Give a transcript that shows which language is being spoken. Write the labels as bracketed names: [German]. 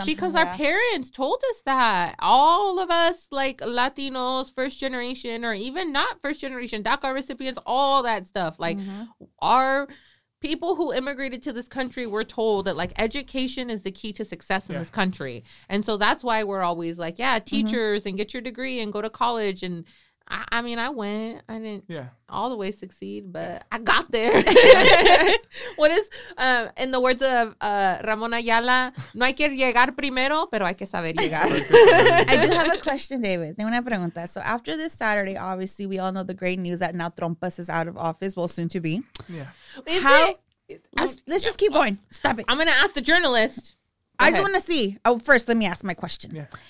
[English] because yeah. our parents told us that all of us, like Latinos, first generation, or even not first generation, DACA recipients, all that stuff, like mm-hmm. our. People who immigrated to this country were told that, like, education is the key to success in yeah. this country. And so that's why we're always like, yeah, teachers mm-hmm. and get your degree and go to college. And I mean, I went. I didn't yeah. all the way succeed, but I got there. What is, in the words of Ramon Ayala, [Spanish] no hay que llegar primero, pero hay que saber llegar. [English] I do have a question, David. [Spanish] Tengo una pregunta. [English] So after this Saturday, obviously, we all know the great news that now Trompas is out of office, well, soon to be. Yeah. How? Let's just keep going. Stop it. I'm going to ask the journalist. I just want to see. Oh, first, let me ask my question. Yeah.